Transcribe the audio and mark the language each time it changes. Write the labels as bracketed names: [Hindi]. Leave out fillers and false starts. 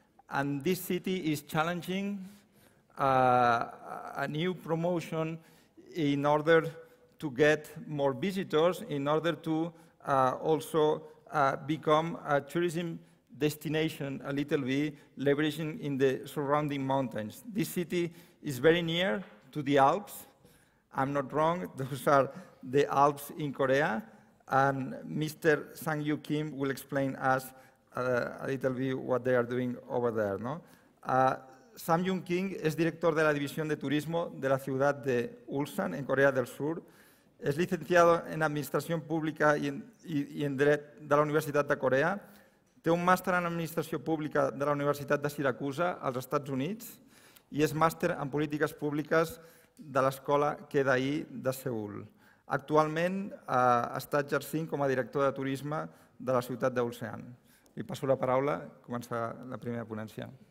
[English] And this city is challenging a new promotion in order to get more visitors, in order to also become a tourism destination a little bit, leveraging in the surrounding mountains. This city is very near to the Alps. I'm not wrong, those are the Alps in Korea. And Mr. Sang-Yu Kim will explain us a little bit what they are doing over there. No? [Spanish] Sam-Yun King es director de la División de Turismo de la ciudad de Ulsan, en Corea del Sur. Es licenciado en Administración Pública y en [Catalan] Dret de la Universitat de Corea. Té un màster en Administració Pública de la Universitat de Siracusa, als Estats Units, i és màster en Polítiques Públiques de l'Escola Kedai de Seul. Actualment està exercint com a director de turisme de la ciutat d'Ulsan. Li passo la paraula, comença la primera ponència.